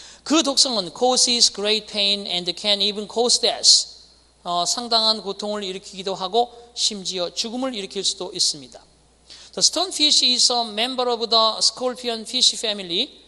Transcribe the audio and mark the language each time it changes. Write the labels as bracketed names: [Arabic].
[Korean] 그 독성은 [English] causes great pain and can even cause death. [Korean] 상당한 고통을 일으키기도 하고 심지어 죽음을 일으킬 수도 있습니다. [English] The stonefish is a member of the scorpion fish family.